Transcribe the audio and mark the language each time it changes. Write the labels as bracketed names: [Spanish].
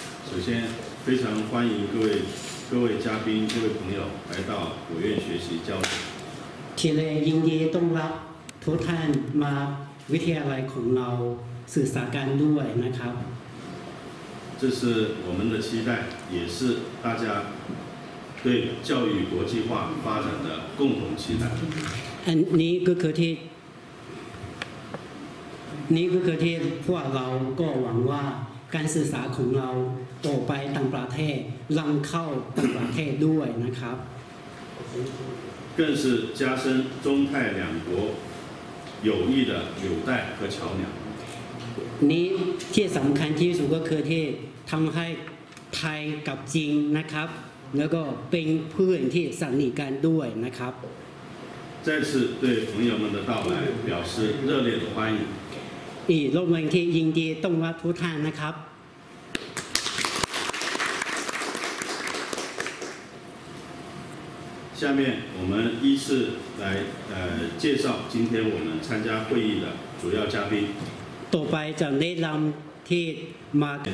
[Chinese] 首先，非常欢迎各位嘉宾、各位朋友来到我院学习交流。 [Thai] ที่ได้ยินดีต้อนรับทุกท่านมาวิทยาลัยของเราสื่อสารกันด้วยนะครับ [Chinese] 这是我们的期待，也是大家对教育国际化发展的共同期待。 [Thai] นี่ก็คือที่พวกเราก็หวังว่าการศึกษาของเราต่อไปต่างประเทศลังเข้าต่างประเทศด้วยนะครับ [Chinese] 更是加深中泰两国友谊的纽带和桥梁。 [Thai] นี่ที่สำคัญที่สุดก็คือที่ทำให้ไทยกับจีนนะครับแล้วก็เป็นเพื่อนที่สนิทกันด้วยนะครับ [Chinese] 再次对朋友们的到来表示热烈的欢迎。 [Thai] อีกรอบหนึ่งที่ยินดีต้อนรับทุกท่านนะครับ ต่อไป [Chinese] 我们依次来介绍今天我们参加会议的主要嘉宾 [Thai] ต่อไปจะแนะนำที่มา